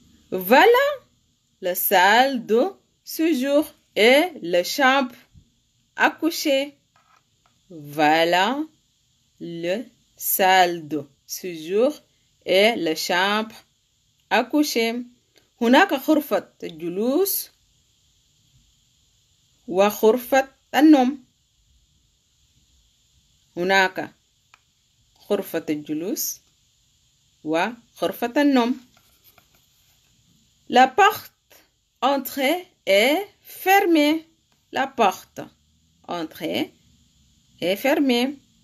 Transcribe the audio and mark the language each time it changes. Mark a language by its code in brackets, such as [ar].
[fr] Voilà la salle de séjour et la chambre à coucher. Voilà la salle de séjour et la chambre à coucher. [ar] هناك غرفة الجلوس وغرفة النوم. هناك غرفة الجلوس وغرفة النوم. [fr] La porte entrée est fermée. La porte entrée est fermée.